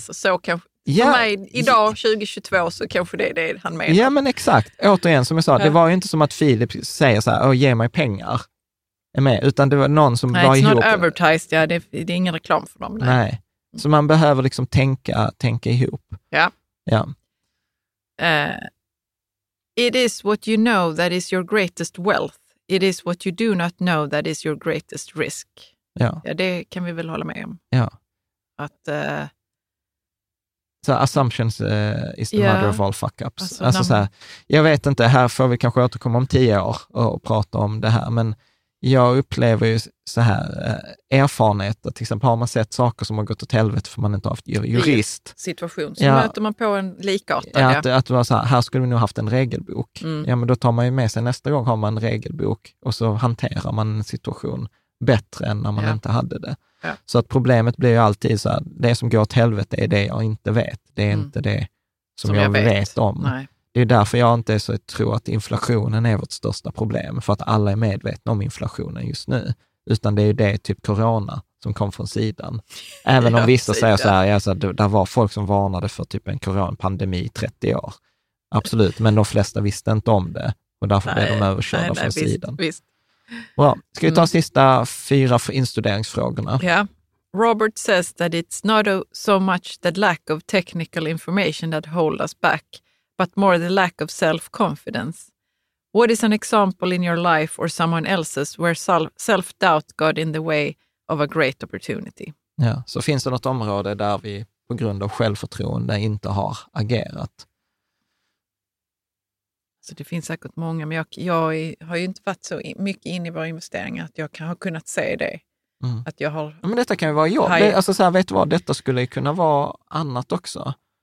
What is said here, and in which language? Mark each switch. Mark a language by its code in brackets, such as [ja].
[sv] Så kanske, mig, idag 2022 så kanske det är det han menar. Ja, men exakt. Återigen, som jag sa, det var ju inte som att Filip säger så här, ge mig pengar. Är med. Utan det var någon som var ihop. [en] Nej, it's not advertised. [sv] Ja, det är ingen reklam för dem. Nej. Så man behöver liksom tänka ihop. Ja. Ja. [en] It is what you know that is your greatest wealth. It is what you do not know that is your greatest risk. [sv] Ja. Ja, det kan vi väl hålla med om. Ja. Att [en] så assumptions is the mother of all fuck-ups. [sv] Alltså, så här, jag vet inte, här får vi kanske återkomma om 10 år och prata om det här, men jag upplever ju så här, erfarenhet, att till exempel har man sett saker som har gått åt helvete för man inte har haft jurist. Situation, så möter man på en likartad. Ja, att det var så här, här skulle vi nog haft en regelbok. Mm. Ja, men då tar man ju med sig, nästa gång har man en regelbok och så hanterar man en situation bättre än när man inte hade det. Ja. Så att problemet blir ju alltid så här, det som går åt helvete är det jag inte vet. Det är inte det som jag vet om. Nej. Det är därför jag inte så tror att inflationen är vårt största problem, för att alla är medvetna om inflationen just nu. Utan det är ju det, typ corona, som kom från sidan. Även om vissa säger så här, det var folk som varnade för typ en coronapandemi i 30 år. Absolut, men de flesta visste inte om det. Och därför blev de överkörda från sidan. Visst. Bra. Ska vi ta sista 4 instuderingsfrågorna? Ja. Yeah. [en] Robert says that it's not so much the lack of technical information that hold us back, but more the lack of self-confidence. What is an example in your life or someone else's where self-doubt got in the way of a great opportunity? Ja, yeah. [sv] Så finns det något område där vi på grund av självförtroende inte har agerat? Så det finns säkert många, men jag har ju inte varit så mycket in i våra investeringar att jag kan ha kunnat säga det. Mm. Att jag har, men detta kan ju vara jobb. Alltså så här, vet du vad, detta skulle ju kunna vara annat också.